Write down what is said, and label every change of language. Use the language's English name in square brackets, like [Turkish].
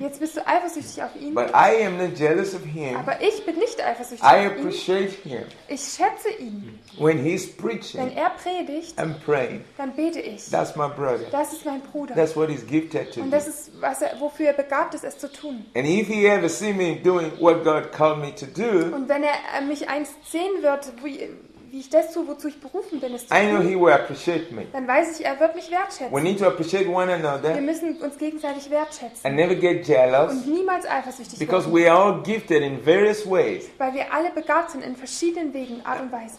[German] Jetzt bist du eifersüchtig auf ihn. [English] But I am not jealous of him. [German] Aber ich bin nicht eifersüchtig [English] I [German] auf ihn. [English] I appreciate him. [German] Ich schätze ihn. [English] When he's preaching. [German] Wenn er predigt. [English] I'm praying. [German] Dann bete ich. [English] That's my brother. [German] Das ist mein Bruder. [English] That's what he's gifted to do. [German] Und das ist wofür er begabt ist, es zu tun. [English] And if he ever see me doing what God called me to do. [German] Und wenn er mich einst sehen wird, wie ich das tue, wozu ich berufen bin, ist zu [English] I know he will appreciate me. [German] Dann weiß ich, er wird mich wertschätzen. [English] We need to appreciate one another. [German] Wir müssen uns gegenseitig wertschätzen. [English] And never get jealous. [German] Und niemals eifersüchtig [English] Because [German] werden. [English] We are all gifted in various ways. [German] Weil wir alle begabt sind in verschiedenen Wegen, Art und Weise.